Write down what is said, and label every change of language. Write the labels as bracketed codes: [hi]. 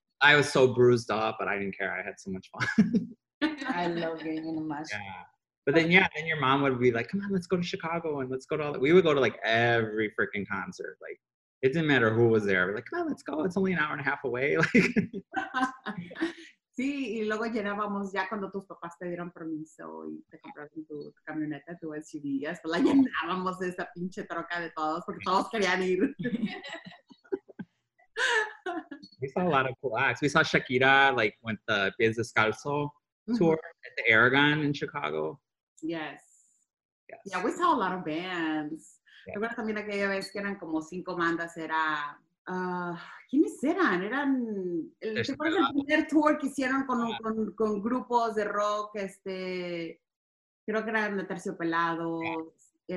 [en] I was so bruised up, but I didn't care. I had so much fun. I love getting in a mosh. Yeah. But then, yeah, then your mom would be like, come on, let's go to Chicago and let's go to all that. We would go to like every freaking concert. Like, it didn't matter who was there. We're like, come on, let's go. It's only an hour and a half away. Like. [es] Sí, y luego llenábamos ya cuando tus papás te dieron permiso y te compraron tu camioneta, tu SUV, hasta la llenábamos de esa pinche troca de todos, porque todos querían ir. [en] We saw a lot of cool acts. We saw Shakira, like, went the Pies Descalzo tour at the Aragon in Chicago. Yes. Yeah, we saw a lot of bands. Yeah. [es] Recuerdo también aquella vez que eran como cinco bandas, era... ¿quiénes eran? Eran... ¿Te acuerdas del primer tour que hicieron con grupos de rock? Creo que eran de Terciopelados, yeah.